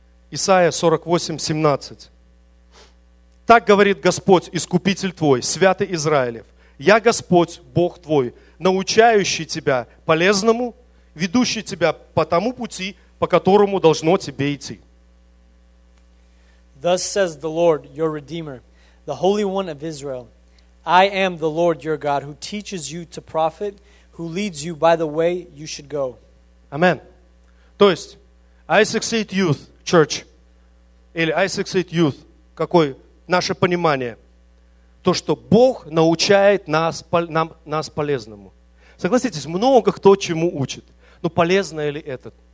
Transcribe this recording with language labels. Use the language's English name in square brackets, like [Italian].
[Russian] Исаия 48, 17. Так говорит Господь, Искупитель твой, Святый Израилев. Я Господь, Бог твой, научающий тебя полезному, ведущий тебя по тому пути, по которому должно тебе идти. [English] Thus says the Lord, your Redeemer, the Holy One of Israel. I am the Lord your God, who teaches you to profit, who leads you by the way you should go. Amen. [Russian] То есть, i68 Youth Church, или i68 Youth, какое наше понимание? То, что Бог научает нас полезному. Согласитесь, много кто чему учит. Но полезно ли это?